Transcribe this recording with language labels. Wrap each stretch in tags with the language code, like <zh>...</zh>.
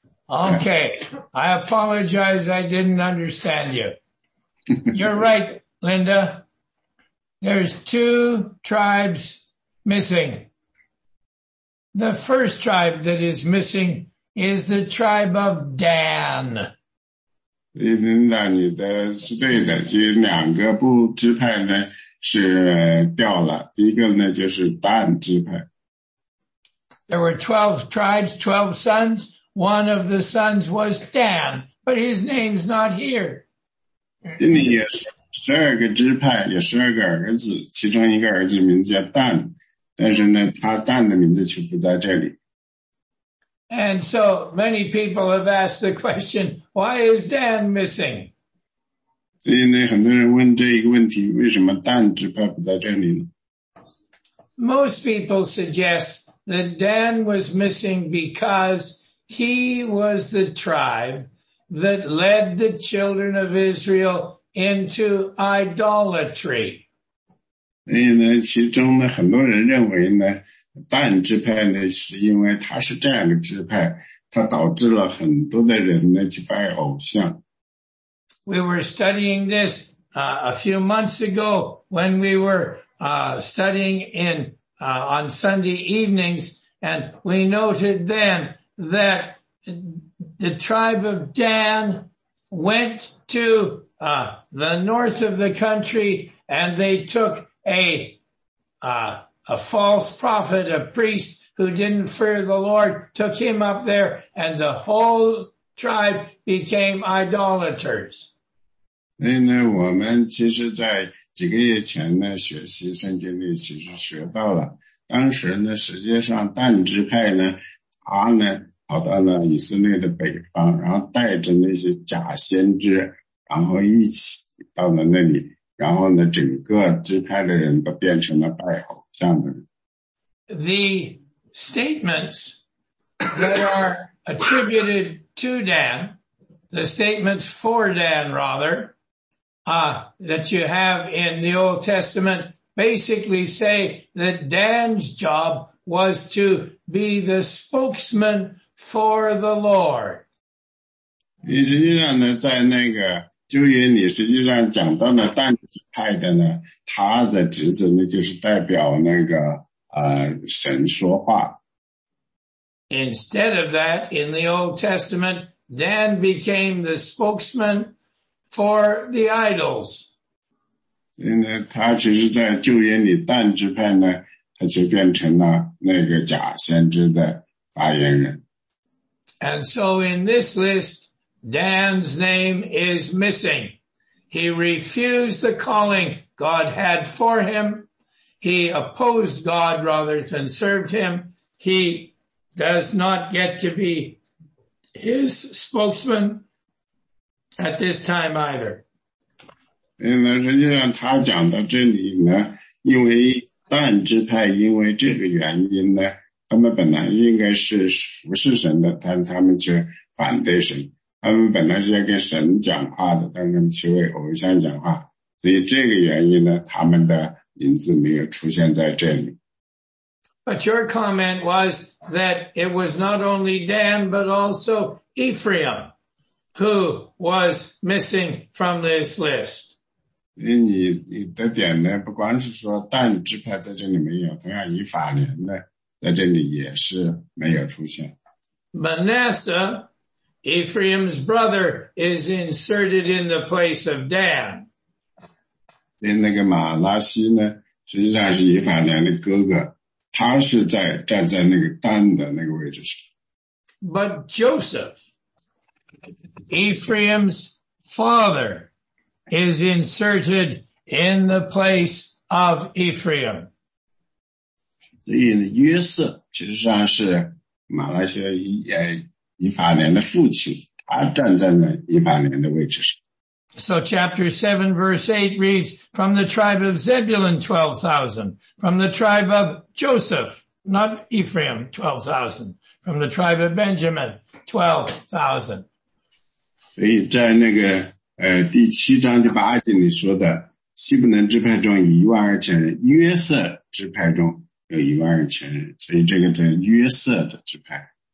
<en>Okay, I apologize, I didn't understand you. You're right, Linda. There's two tribes missing. The first tribe that is missing is the tribe of Dan.</en> <zh>Linda, 你的是对的，这两个部支派呢是掉了，一个呢就是Dan支派。</zh> <en>There were 12 tribes, 12 sons. One of the sons was Dan, but his name's not here.</en> <zh>今天也是12个支派，有12个儿子，其中一个儿子名字叫Dan，但是呢他Dan的名字却不在这里。</zh> <en>And so many people have asked the question, why is Dan missing?</en> <zh>所以呢很多人问这一个问题，为什么Dan支派不在这里呢？</zh> <en>Most people suggest that Dan was missing because he was the tribe that led the children of Israel into idolatry.</en> <zh>所以呢其中呢很多人认为呢但支派呢是因为他是这样的支派，他导致了很多的人呢去拜偶像。</zh> <en>We were studying this, a few months ago when we were, studying in, on Sunday evenings, and we noted then that the tribe of Dan went to, the north of the country and they took a false prophet, a priest who didn't fear the Lord, took him up there, and the whole tribe became idolaters.</en> <zh>所以呢，我们其实在几个月前呢，学习圣经里其实学到了，当时呢，实际上但支派呢，他呢跑到了以色列的北方，然后带着那些假先知，然后一起到了那里，然后呢，整个支派的人都变成了拜偶。</zh> <en>The statements that are attributed to Dan, the statements for Dan rather, that you have in the Old Testament basically say that Dan's job was to be the spokesman for the Lord.</en> <zh>实际上呢，在那个旧约里实际上讲到了但支派的呢，他的职责呢就是代表那个神说话。</zh> <en>Instead of that, in the Old Testament, Dan became the spokesman for the idols.</en> <zh>所以呢，他其实在旧约里但支派呢，他就变成了那个假先知的发言人。</zh> <en>And so in this list,Dan's name is missing. He refused the calling God had for him. He opposed God rather than served him. He does not get to be his spokesman at this time either.</en> <zh>实际上他讲到这里呢，因为但支派因为这个原因呢，他们本来应该是服侍神的，但他们却反对神。他们本来是要跟神讲话的，但是他们去为偶像讲话，所以这个原因呢，他们的名字没有出现在这里。</zh> <en>But your comment was that it was not only Dan, but also Ephraim, who was missing from this list.</en> <zh>你的点呢，不光是说但支派在这里没有，同样以法莲呢，在这里也是没有出现。</zh> <en>Manasseh,Ephraim's brother is inserted in the place of Dan.</en> <zh>那个马拉西呢，实际上是以法莲的哥哥，他是在站在那个担的那个位置上。</zh> <en>But Joseph, Ephraim's father, is inserted in the place of Ephraim.</en> <zh>所以呢，约瑟其实上是马拉西亚以法莲的父亲，他站在那以法莲的位置上。</zh> <en>So chapter 7 verse 8 reads, from the tribe of Zebulun 12,000, from the tribe of Joseph, not Ephraim 12,000, from the tribe of Benjamin 12,000.</en> <zh>所以在那个第七章第八节里说的，西布伦支派中有一万二千人，约瑟支派中有一万二千人，所以这个叫约瑟的支派。</zh>